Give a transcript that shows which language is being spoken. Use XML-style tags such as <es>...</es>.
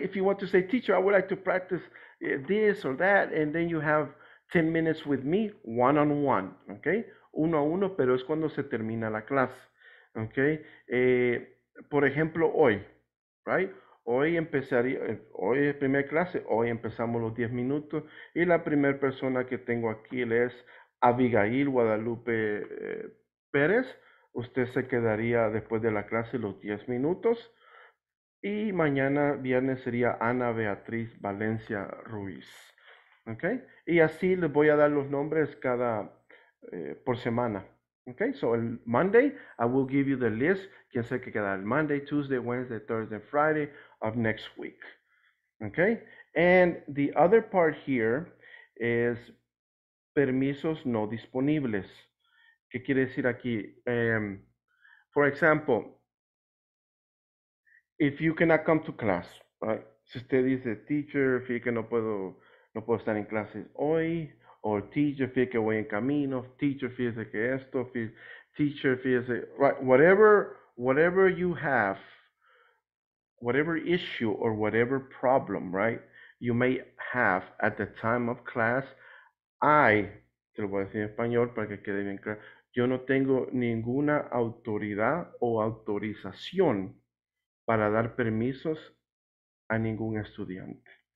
<en>If you want to say, teacher, I would like to practice this or that, and then you have 10 minutes with me one-on-one, okay?</en> <es>Uno a uno, pero es cuando se termina la clase, okay? Por ejemplo, hoy, right? Hoy empezaría, hoy es primera clase, hoy empezamos los 10 minutos, y la primera persona que tengo aquí es Abigail Guadalupe Pérez. Usted se quedaría después de la clase los 10 minutos, y mañana viernes sería Ana Beatriz Valencia Ruiz, okay? Y así les voy a dar los nombres cada, por semana.</es> <en>Okay, so el Monday, I will give you the list.</en> <es>Quien sé que queda el</es> <en>Monday, Tuesday, Wednesday, Thursday, Friday of next week. Okay, and the other part here is</en> <es>permisos no disponibles. ¿Qué quiere decir aquí?</es> <en>For example, if you cannot come to class, right?</en> <es>Si usted dice, teacher, fíjate que no puedo estar en clases hoy. Or teacher, fíjese que voy en camino. Teacher, fíjese que esto. Teacher, fíjese.</es> <en>Right, whatever you have, whatever issue or whatever problem, right, you may have at the time of class, I,</en> <es>te lo voy a decir en español para que quede bien claro, yo no tengo ninguna autoridad o autorización para dar permisos a ningún estudiante.</es>